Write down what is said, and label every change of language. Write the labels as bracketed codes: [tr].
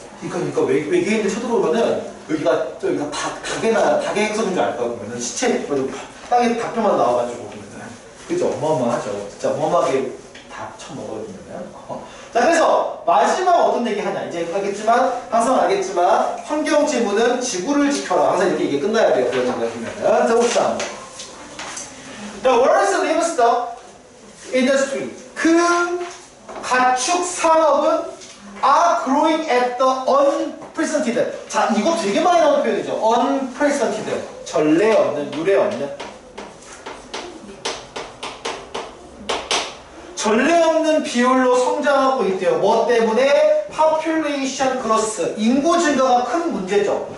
[ko] 그러니까 외계인들 쳐들어오면은 여기가 저기가 닭이나 닭의 행성인 줄 알까 보면은 시체 땅에 닭뼈만 나와가지고 보면은 그죠? 어마어마하죠. 진짜 어마어마하게 닭 처먹어버리면은. 자, 그래서 마지막 어떤 얘기 하냐. 이제 하겠지만, 항상 알겠지만, 환경 지문은 지구를 지켜라. 항상 이렇게 이게 끝나야 돼요. 그런 생각이면. 자, 봅시다. [en] The world's livestock industry. [ko] 그 가축 산업은 [en] are growing at the unprecedented. [ko] 자, 이거 되게 많이 나오는 표현이죠. unprecedented. 전례 없는, 유례 없는. 전례 없는 비율로 성장하고 있대요. 뭐 때문에? [en] Population growth. [ko] 인구 증가가 큰 문제죠.